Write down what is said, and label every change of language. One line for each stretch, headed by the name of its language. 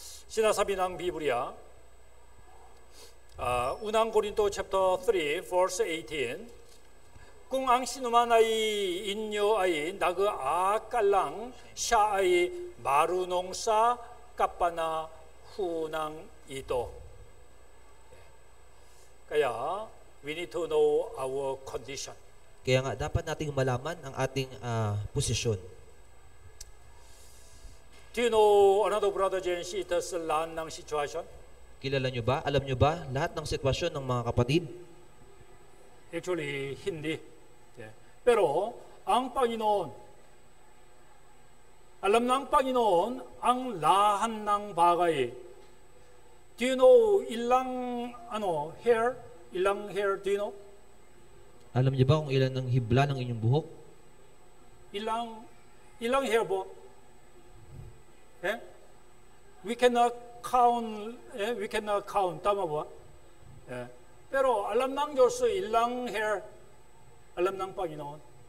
Filipino: Sinasabi ng Biblia, Unang Korinto
English: chapter 3, verse 18,
Filipino: kung ang sinuman ay inyo ay nag-aakalang, siya ay marunong sa kapanahunang ito. Kaya,
English: we need to know our condition.
Filipino: Kaya nga, dapat nating malaman ang ating posisyon.
English: Do you know another brother and sisters
Filipino: lahat ng
English: situation?
Filipino: Kilala nyo ba? Alam nyo ba lahat ng sitwasyon ng mga kapatid? Actually, hindi. Pero ang Panginoon, alam ng Panginoon ang lahat ng bagay.
English: Do you know
Filipino: ilang
English: hair do you know?
Filipino: Alam niyo ba kung ilan ng hibla ng inyong buhok? Ilang hair po?
English: We cannot count.
Filipino: Tama ba? Pero alam ng Diyos ilang hair, alam ng Panginoon.